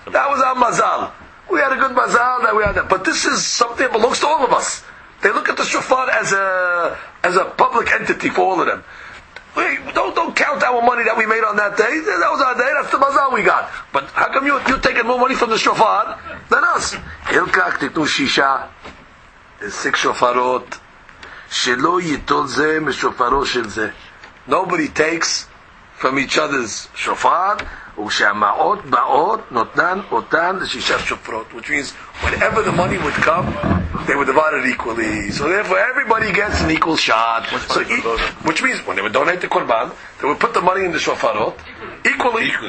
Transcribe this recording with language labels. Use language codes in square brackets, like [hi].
[en] That was our mazal. We had a good mazal that we had that. But this is something that belongs to all of us. They look at the shofar as a public entity for all of them. We don't count our money that we made on that day. That was our day. That's the mazal we got. But how come you're taking more money from the shofar than us? [he] Hilkach titnu shisha. [en] There's six shofarot. [he] שלא ייטול זה משופרו של זה. [en] Nobody takes from each other's shofar, [he] ושהמעות באות נותנן אותן לשישה שופרות. [en] Which means, whenever the money would come, they would divide it equally. So therefore, everybody gets an equal shot. Which means, when they would donate the korban, they would put the money in the shofarot, equally.